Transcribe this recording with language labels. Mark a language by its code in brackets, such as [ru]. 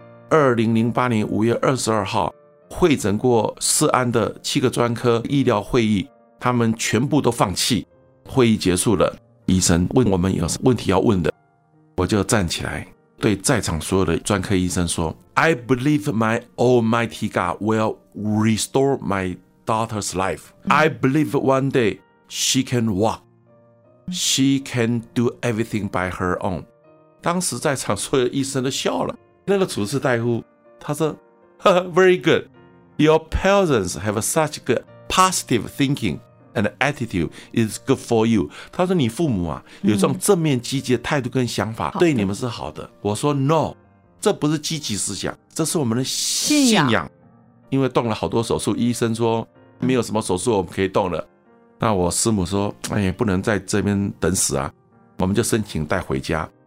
[zh] 2008年5月22号，会诊过世安的7个专科医疗会议，他们全部都放弃。会议结束了，医生问我们有问题要问的，我就站起来对在场所有的专科医生说 [en] I believe my almighty God will restore my daughter's life. I believe one day she can walk. She can do everything by her own. [zh] 当时在场所有医生都笑了，那个主治大夫他说 [en] Very good. Your parents have such good positive thinking. And attitude is good for you. [zh] 他说你父母啊，有这种正面积极的态度跟想法，对你们是好的。我说 No， 这不是积极思想，这是我们的信仰。因为动了好多手术，医生说没有什么手术我们可以动了。那我师母说，哎呀，不能在这边等死啊，我们就申请带回家。